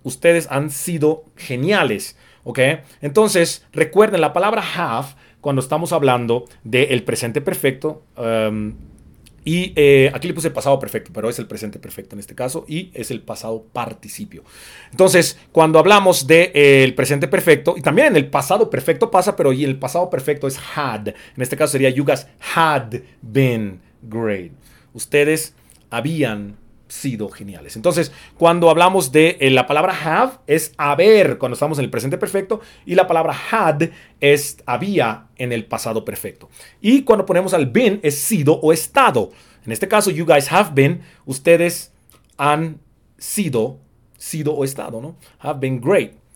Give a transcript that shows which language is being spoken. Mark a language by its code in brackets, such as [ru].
[es] Ustedes han sido geniales. ¿Okay? Entonces, recuerden la palabra have cuando estamos hablando del presente perfecto. Aquí le puse pasado perfecto, pero es el presente perfecto en este caso y es el pasado participio. Entonces, cuando hablamos de el presente perfecto, y también en el pasado perfecto pasa, pero el pasado perfecto es had. En este caso sería [en] you guys had been great. [es] Ustedes habían sido geniales. Entonces, cuando hablamos de la palabra have es haber cuando estamos en el presente perfecto y la palabra had es había en el pasado perfecto. Y cuando ponemos al been es sido o estado. En este caso, [en] you guys have been, [es] ustedes han sido o estado, ¿no? [en] Have been great.